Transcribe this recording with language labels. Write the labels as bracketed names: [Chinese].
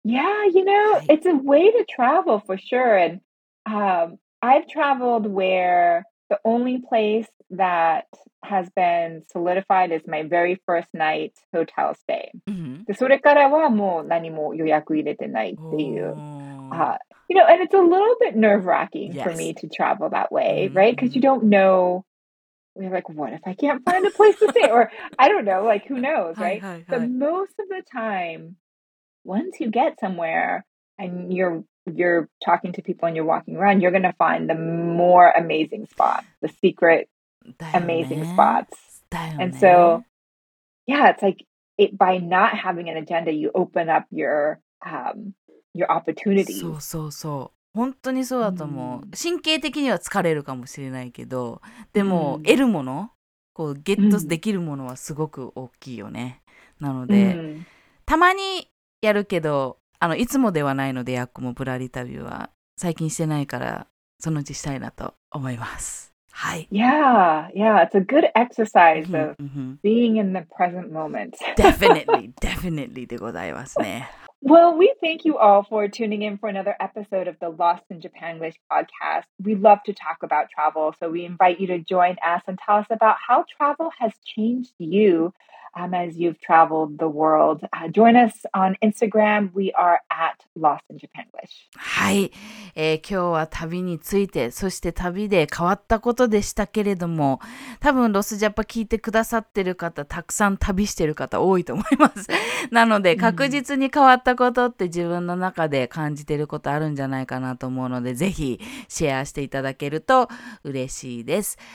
[English] Yeah, you know,、はい、it's a way to travel for sure. And、I've traveled where the only place that has been solidified is my very first night hotel stay.、 Mm-hmm. [Japanese] で、それからはもう何も予約入れてないっていう。 [English] You know, and it's a little bit nerve-wracking、yes. for me to travel that way,、mm-hmm. right? Because you don't know, you're like, what if I can't find a place to stay? Or, I don't know, like, who knows, right? But most of the time, once you get somewhere and you're talking to people and you're walking around, you're going to find the more amazing spots, the secret amazing spots. And so, yeah, it's like,It, by not having an agenda, you open up your opportunity. [Japanese] そうそうそう。本当にそうだと思う。Mm. 神経的には疲れるかもしれないけど、でも、mm. 得るもの、こうゲットできるものはすごく大きいよね。なので、mm. たまにやるけど、いつもではないので、やっこもぶらり旅は最近してないから、そのうちしたいなと思います。はい、 [English] yeah, yeah, it's a good exercise of being in the present moment. definitely, definitely [Japanese] でございますね。 [English] Well, we thank you all for tuning in for another episode of the Lost in Japanglish podcast. We love to talk about travel, so we invite you to join us and tell us about how travel has changed you、as you've traveled the world.、join us on Instagram. We are at Lost in Japanglish. [Japanese] はい、今日は旅について、そして旅で変わったことでしたけれども、多分ロスジャパ聞いてくださってる方、たくさん旅してる方多いと思います。なので、確実に変わったことって自分の中で感じてることあるんじゃないかなと思うので、ぜひシェアしていただけると嬉しいです。